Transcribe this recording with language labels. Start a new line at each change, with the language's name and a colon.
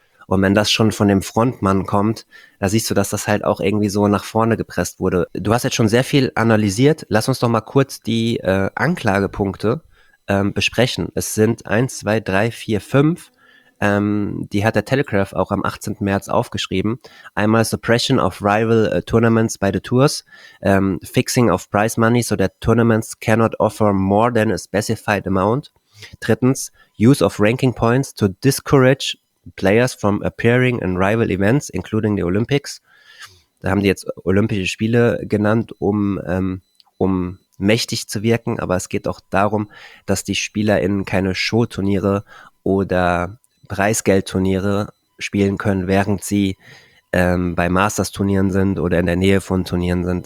German: Und wenn das schon von dem Frontmann kommt, da siehst du, dass das halt auch irgendwie so nach vorne gepresst wurde. Du hast jetzt schon sehr viel analysiert. Lass uns doch mal kurz die Anklagepunkte besprechen. Es sind 1, 2, 3, 4, 5. Die hat der Telegraph auch am 18. März aufgeschrieben. Einmal
English: Suppression of Rival Tournaments by the Tours. Fixing of Prize Money, so that Tournaments cannot offer more than a specified amount.
German: Drittens,
English: Use of Ranking Points to discourage Players from appearing in rival events, including the Olympics.
German: Da haben die jetzt Olympische Spiele genannt, um mächtig zu wirken. Aber es geht auch darum, dass die SpielerInnen keine Showturniere oder Preisgeldturniere spielen können, während sie bei Masters-Turnieren sind oder in der Nähe von Turnieren sind.